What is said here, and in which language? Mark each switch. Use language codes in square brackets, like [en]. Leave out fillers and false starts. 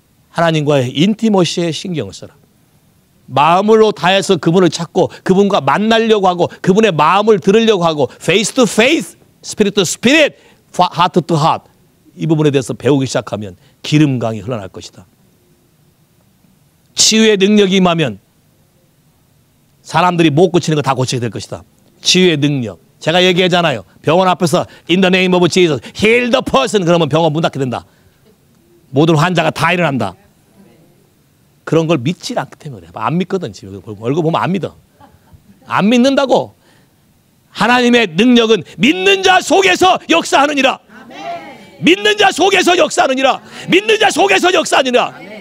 [ko] 하나님과의 인티머시에 신경을 써라. 마음으로 다해서 그분을 찾고 그분과 만나려고 하고 그분의 마음을 들으려고 하고 [en] face to face, spirit to spirit, heart to heart [ko] 이 부분에 대해서 배우기 시작하면 기름강이 흘러날 것이다. 치유의 능력이 임하면 사람들이 못 고치는 거 다 고치게 될 것이다. 치유의 능력. 제가 얘기하잖아요. 병원 앞에서 [en] in the name of Jesus, heal the person. [ko] 그러면 병원 문 닫게 된다. 모든 환자가 다 일어난다. 그런 걸 믿지 않기 때문에 안 믿거든. 지금 얼굴 보면 안 믿어. 안 믿는다고. 하나님의 능력은 믿는 자 속에서 역사하느니라. 믿는 자 속에서 역사하느니라. 믿는 자 속에서 역사하느니라.